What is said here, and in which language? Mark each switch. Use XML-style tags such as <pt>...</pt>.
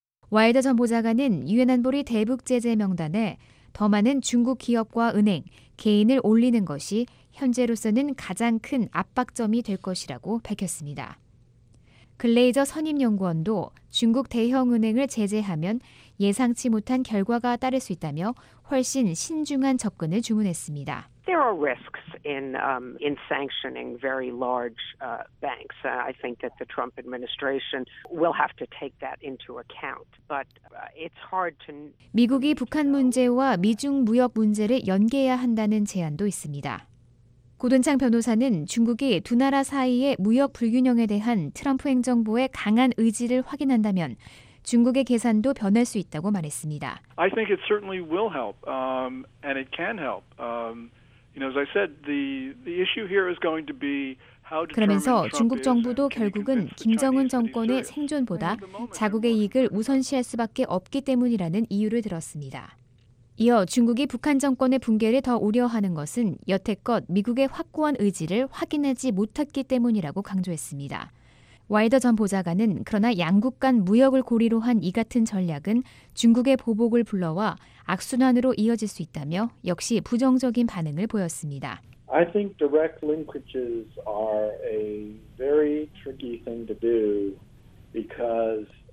<ko>와일더 전 보좌관은 유엔 안보리 대북 제재 명단에 더 많은 중국 기업과 은행, 개인을 올리는 것이 현재로서는 가장 큰 압박점이 될 것이라고 밝혔습니다. 글레이저 선임연구원도 중국 대형은행을 제재하면 예상치 못한 결과가 따를 수 있다며 훨씬 신중한 접근을 주문했습니다.</ko> <en>There are risks in sanctioning very large banks. I think that the Trump administration will have to take that into account. But it's hard to</en> <ko>미국이 북한 문제와 미중 무역 문제를 연계해야 한다는 제안도 있습니다. 고든창 변호사는 중국이 두 나라 사이의 무역 불균형에 대한 트럼프 행정부의 강한 의지를 확인한다면 중국의 계산도 변할 수 있다고 말했습니다.</ko> <en>I think it certainly will help and it can help. You know, as I said, the issue here is going to be</en> <ko>그러면서 중국 정부도 결국은 김정은 정권의 생존보다 자국의 이익을 우선시할 수밖에 없기 때문이라는 이유를 들었습니다. 이어 중국이 북한 정권의 붕괴를 더 우려하는 것은 여태껏 미국의 확고한 의지를 확인하지 못했기 때문이라고 강조했습니다. 와이더 전 보좌관은 그러나 양국 간 무역을 고리로 한 이 같은 전략은 중국의 보복을 불러와 악순환으로 이어질 수 있다며 역시 부정적인 반응을 보였습니다.</ko> <en>I think direct linkages are a very tricky thing to do because</en>